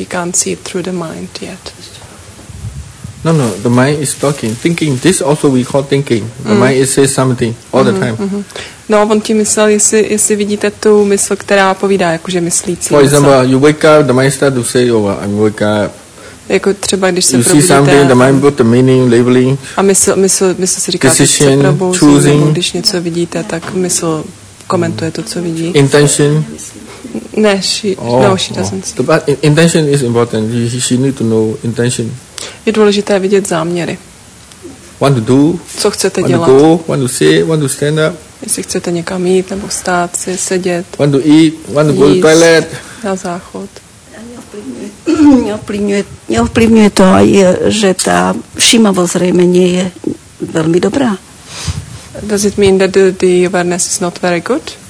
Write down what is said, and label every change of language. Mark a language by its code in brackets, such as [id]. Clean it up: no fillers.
[en] She can't see it through the mind yet. No, the mind is talking. Thinking, this also we call thinking. The mind is saying something all the time. [cs] No, on tím myslel, jestli vidíte tu mysl, která povídá, jakože myslící. [en] For example, you wake up, the mind start to say, I'm wake up. [cs] Jako třeba, když se [en] you [cs] probudíte. [en] You see something, the mind put the meaning, labeling. [cs] A mysl si říká, že se probouzí, nebo když něco vidíte, tak mysl komentuje to, co vidí. [en] Intention. Ne, she doesn't see. But intention is important. She need to know intention. [cs] Je důležité vidět záměry. [en] Want to do? [cs] Co chcete [en] want [cs] dělat? [en] To go, want to see, want to stand up? [cs] Jestli chcete někam jít nebo stát, si sedět. [en] Want to eat, want to go to toilet? [cs] Na záchod. Neovplyvňuje to aj, že ta všímavost zřejmě nie je velmi dobrá. [en] Does it mean that the awareness is not very good?